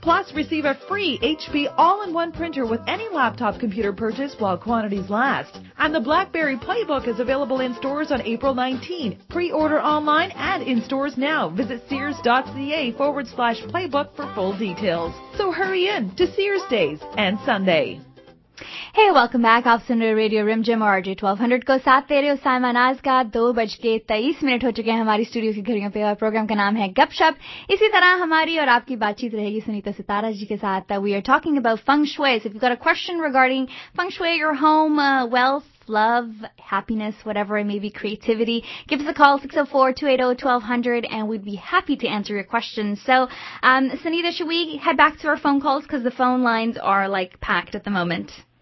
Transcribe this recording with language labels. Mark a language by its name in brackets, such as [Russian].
[English] Plus, receive a free HP all-in-one printer with any laptop computer purchase while quantities last. And the BlackBerry Playbook is available in stores on April 19. Pre-order online and in stores now. Visit sears.ca/playbook for full details. So hurry in to Sears Days and Sunday. Hey, welcome back. [Hindi] आप सुन रहे radio rim gym और RJ 1200 को साथ दे रहे हो. साइमा नाज का 2:23 हो चुके हैं हमारी स्टूडियो की घड़ियों पे, और प्रोग्राम का नाम है गपशप. इसी तरह हमारी और आपकी बातचीत रहेगी सुनीता सितारा जी के साथ. [English] We are talking about feng shui. So if you got a question regarding feng shui, your home, wealth, love, happiness, whatever it may be, creativity, give us a call, 604-280-1200, and we'd be happy to answer your questions. So, Sunita, should we head back to our phone calls? Because the phone lines are, like, packed at the moment.